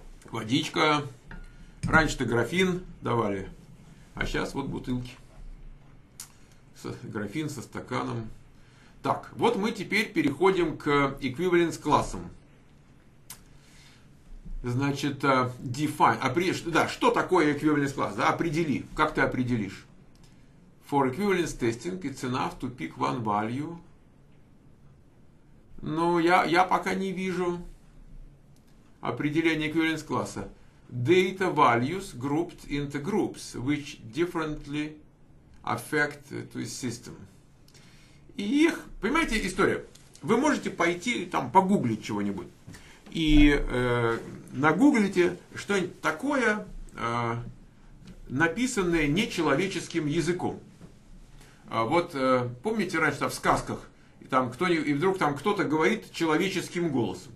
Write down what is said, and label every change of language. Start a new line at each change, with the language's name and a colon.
Russian: Водичка. Раньше-то графин давали, а сейчас вот бутылки. Графин со стаканом. Так, вот мы теперь переходим к equivalence-классам. Значит, define. Что такое equivalence класс? Да, определи. Как ты определишь?
English: For equivalence testing, it's enough to pick one value.
Russian: Ну, я пока не вижу определения equivalence класса.
English: Data values grouped into groups, which differently affect to system.
Russian: И их, понимаете, история. Вы можете пойти там погуглить чего-нибудь. И нагуглите что-нибудь такое, написанное нечеловеческим языком. Помните раньше там, в сказках, и вдруг кто-то говорит человеческим голосом.